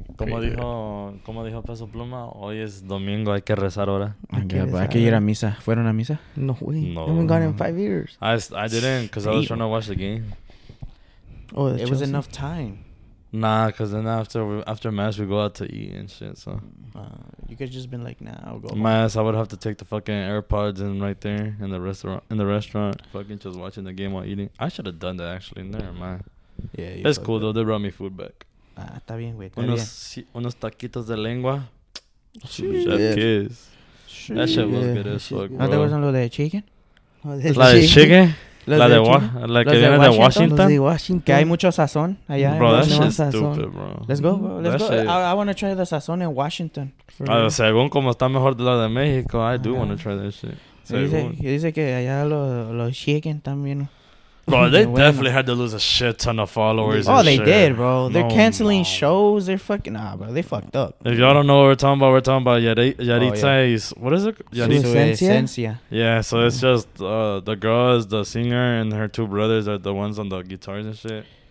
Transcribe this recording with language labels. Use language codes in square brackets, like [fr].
[es] Como dijo Peso Pluma, hoy es domingo, hay que rezar ahora. Hay que ir a misa. ¿Fueron a misa? No, güey. No. [en] I haven't gone in 5 years. I didn't, because I was trying to watch the game. Oh, it was enough time. Nah, cause then after mass we go out to eat and shit. So you could just been like, nah, I'll go. Mass, I would have to take the fucking AirPods in right there in the restaurant, fucking just watching the game while eating. I should have done that actually. Never mind. Yeah, it's cool though. They brought me food back. [es] Ah, está bien, güey. Unos taquitos de lengua. [en] Chef kiss. That shit was good as fuck, bro. No, there wasn't [es] lo de [en] chicken. Chicken. [es] La de la que viene de Washington. Washington. Que hay mucho sazón allá. [en] Bro, that shit's stupid, bro. Let's go, bro. I want to try the sazón in Washington. [es] Según como está mejor de la de México, [en] I do want to try that shit. [es] Dice que allá los chicken también. [en] Bro, they definitely had to lose a shit ton of followers. Oh, they did, bro. They're canceling shows. They're fucking, bro. They fucked up. If y'all don't know what we're talking about, Yaritza's, what is it? Yaritza. Yeah, so it's just the girl is the singer and her two brothers are the ones on the guitars and shit.